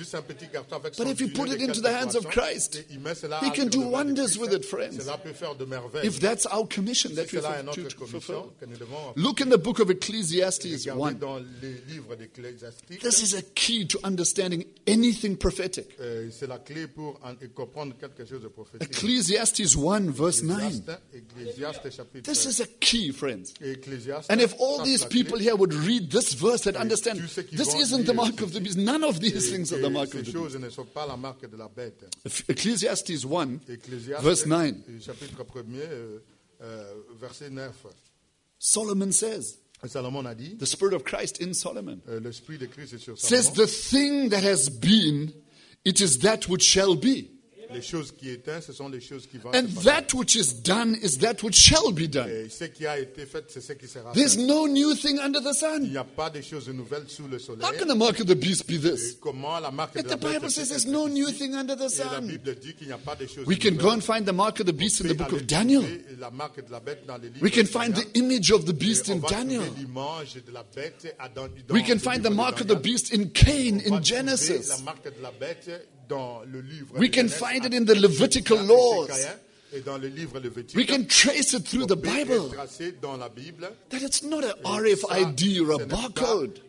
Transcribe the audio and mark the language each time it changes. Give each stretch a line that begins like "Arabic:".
English: But if you put it into the hands of Christ, he can do wonders with it, friends. If that's our commission that we have to fulfill, look in the book of Ecclesiastes 1.
French: Dans les livres d'Ecclésiastique,
English: this is a key to understanding anything prophetic.
French: C'est la clé pour comprendre quelque chose de prophétique.
English: Ecclesiastes 1, verse 9.
French: Ecclésiaste, chapitre,
English: this is a key, friends.
French: Ecclésiaste,
English: and if all these people here would read this verse and understand, this isn't the mark of the beast. None of these things are the mark of the beast.
French: Ne sont pas la marque de la bête.
English: Ecclesiastes 1,
French: Ecclésiaste,
English: verse 9.
French: Chapitre premier, verset 9.
English: Solomon says,
French: Solomon a dit,
English: the Spirit of Christ in Solomon,
French: l'esprit de Christ est sur Solomon
English: says, the thing that has been, it is that which shall be. Amen.
French: Les choses qui éteignent, ce sont les choses qui vont.
English: And that which is done is that which shall be done.
French: Et ce qui a été fait, c'est ce qui sera fait.
English: There's no new thing under the sun.
French: Il n'y a pas de choses nouvelles sous le soleil.
English: How can the mark of the beast be this?
French: Comment la marque de la bête?
English: But the Bible says there's no new thing under the sun.
French: Et la Bible dit qu'il n'y a pas de choses nouvelles.
English: We can go and find the mark of the beast in the book of Daniel.
French: La marque de la bête dans les livres.
English: We can find the image of the beast in Daniel.
French: On va trouver l'image de la bête à dans.
English: We can find the mark of the beast in Cain in Genesis.
French: La marque de la bête. Dans le livre
English: we can find it in the Levitical laws.
French: Et dans le livre Levitique,
English: we can trace it through the Bible.
French: Dans la Bible.
English: That it's not an RFID or a barcode.